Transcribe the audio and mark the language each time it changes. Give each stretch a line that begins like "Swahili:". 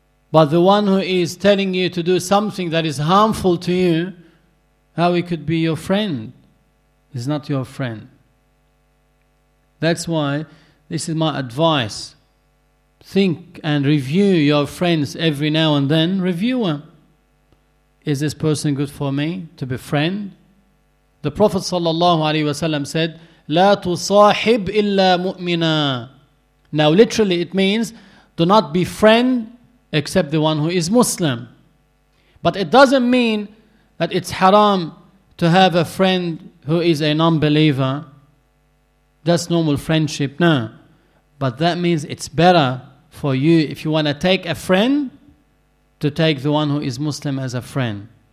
English: But the one who is telling you to do something that is harmful to you, how he could be your friend? He's not your friend. That's why this is my advice. Think and review your friends every now and then. Review them. Is this person good for me to befriend? The Prophet ﷺ said,
Arabic: لا تصاحب إلا مؤمنا.
English: Now literally it means, do not befriend except the one who is Muslim. But it doesn't mean that it's haram to have a friend who is a non-believer. That's normal friendship, no. But that means it's better for you if you want to take a friend to take the one who is Muslim as a friend.